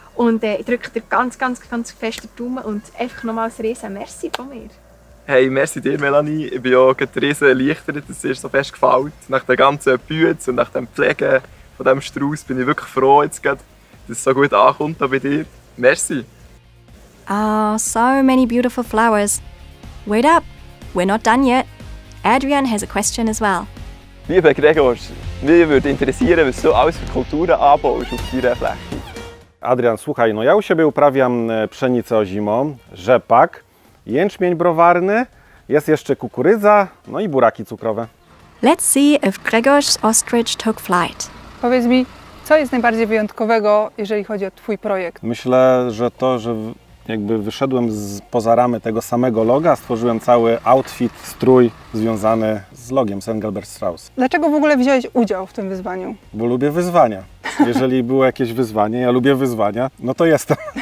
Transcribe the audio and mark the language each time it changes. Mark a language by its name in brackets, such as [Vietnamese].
[German] Und ich drücke dir ganz, ganz, ganz fest den Daumen und einfach nochmals ein riesen Merci von mir. Hey, merci dir, Melanie. Ich bin auch gerade riesen erleichtert, dass es dir so fest gefällt. Nach den ganzen Büten und nach dem Pflegen von diesem Strauß bin ich wirklich froh, jetzt gerade, dass es so gut ankommt bei dir. Merci. [English] Oh, so many beautiful flowers. Wait up, we're not done yet. Adrian has a question as well. [German] Lieber Gregor, mich würde interessieren, was du alles für Kulturen anbaust auf deiner Fläche. [Polish] Adrian, słuchaj, no ja u siebie uprawiam pszenicę ozimą, rzepak, jęczmień browarny, jest jeszcze kukurydza, no i buraki cukrowe. [English] Let's see if Gregor's ostrich took flight. [Polish] Powiedz mi, co jest najbardziej wyjątkowego, jeżeli chodzi o twój projekt? Myślę, że to, że jakby wyszedłem poza ramy tego samego loga, stworzyłem cały outfit, strój związany z logiem, z Engelbert Strauss. Dlaczego w ogóle wziąłeś udział w tym wyzwaniu? Bo lubię wyzwania. Jeżeli było jakieś wyzwanie, ja lubię wyzwania, no to jestem.